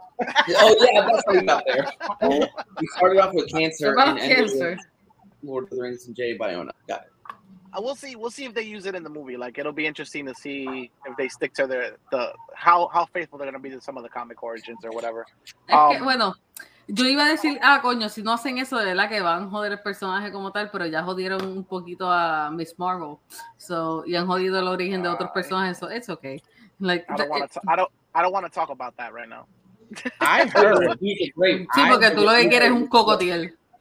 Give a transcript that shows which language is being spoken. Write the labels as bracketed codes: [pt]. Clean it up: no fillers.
[en] Oh yeah, that's what we got there. We started off with cancer Lord of the Rings and Jay Bayona. Got it. We'll see if they use it in the movie. Like, it'll be interesting to see if they stick to how faithful they're gonna be to some of the comic origins or whatever. [es] Yo iba a decir, coño, si no hacen eso, de verdad que van a joder el personaje como tal, pero ya jodieron un poquito a Miss Marvel. So, y han jodido el origen de otros personajes, so it's okay. Like, [en] I don't want to talk about that right now. I heard. [es] Sí, porque tú lo que quieres es un cockatiel.